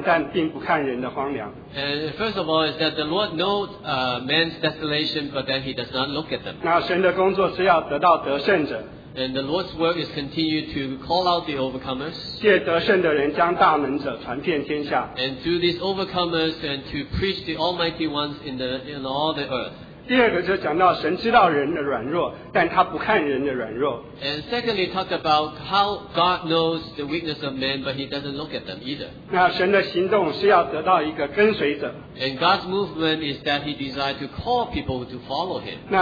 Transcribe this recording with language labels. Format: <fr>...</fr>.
<en>and first of all is that the Lord knows man's desolation, but that he does not look at them.</en> <zh>那神的工作是要得到得胜者,</zh> <en>and the Lord's work is continue to call out the overcomers,</en> <zh>借得胜的人将大能者传遍天下,</zh> <en>and through these overcomers and to preach the almighty ones in all the earth.</en> <zh>第二个就讲到神知道人的软弱, 但他不看人的软弱,</zh> <en>and secondly talk about how God knows the weakness of men, but he doesn't look at them either.</en> <zh>那神的行动是要得到一个跟随者,</zh> <en>and God's movement is that he desires to call people to follow him.</en>